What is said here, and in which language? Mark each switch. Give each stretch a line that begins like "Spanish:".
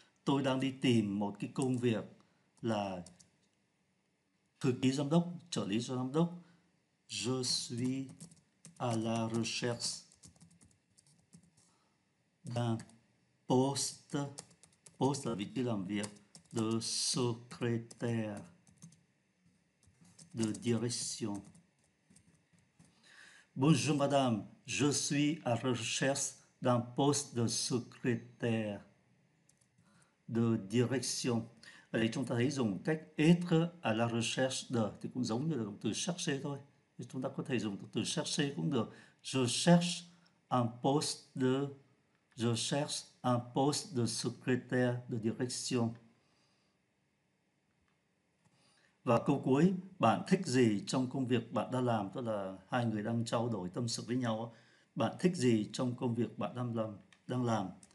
Vietnamese: Tôi đang đi tìm một cái công việc là thư ký giám đốc, trợ lý cho giám đốc.
French: Je suis à la recherche d'un poste, poste
Vietnamese: là vị trí làm việc,
French: de secrétaire de direction. Bonjour madame, je suis à la recherche d'un poste de secrétaire de direction.
Vietnamese: Ở đây chúng ta thấy dùng cách
French: être à la recherche de
Vietnamese: thì cũng giống như là động từ chercher thôi. Thì chúng ta có thể dùng từ chercher cũng được.
French: Je cherche un poste de secrétaire de direction.
Vietnamese: Và câu cuối, bạn thích gì trong công việc bạn đang làm? Tức là hai người đang trao đổi tâm sự với nhau. Bạn thích gì trong công việc bạn đang làm?